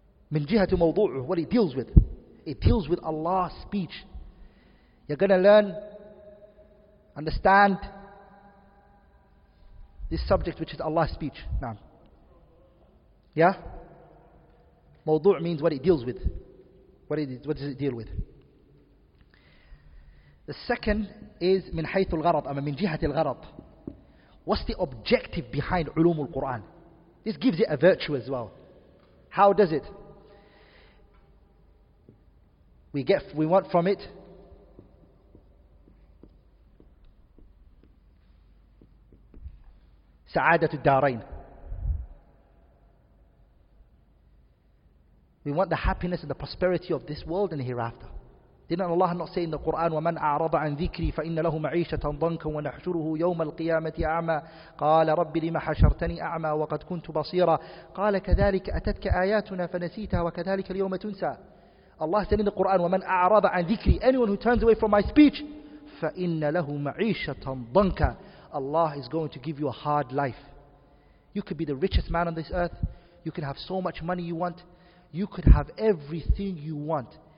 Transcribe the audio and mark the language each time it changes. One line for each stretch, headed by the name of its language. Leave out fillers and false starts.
Arabic: من جهة موضوعه,
English: what it deals with. It deals with Allah's speech. You're going to learn, understand this subject, which is Allah's speech. Naam. Yeah? موضوع means what it deals with. What does it deal with? The second is
Arabic: من حيث الغرض, أما من جهة الغرض.
English: What's the objective behind علوم القرآن? This gives it a virtue as well. How does it? We want from it
Arabic: سعادة الدارين.
English: We want the happiness and the prosperity of this world and the hereafter. Didn't Allah not say in the Quran,
Arabic: وَمَنْ أَعْرَضَ عَنْ ذِكْرِي فَإِنَّ لَهُ مَعِيشَةً ضَنْكًا وَنَحْشُرُهُ يَوْمَ الْقِيَامَةِ أَعْمَى قَالَ رَبِّ لِمَ حَشَرْتَنِي أَعْمَى وَقَدْ كُنْتُ بَصِيرًا قَالَ كَذَلِكَ أَتَتْكَ آيَاتُنَا فَنَسِيتَهَا وَكَذَلِكَ الْيَوْمَ تُنْسَى.
English: Allah said in the Quran,
Arabic: وَمَنْ أَعْرَضَ عَنْ ذِكْرِي,
English: anyone who turns away from my speech,
Arabic: فَإِنَّ لَهُ مَعِيشَةً ضَنْكًا,
English: Allah is going to give you a hard life. You could be the richest man on this earth, you can have so much money you want, you could have everything you want.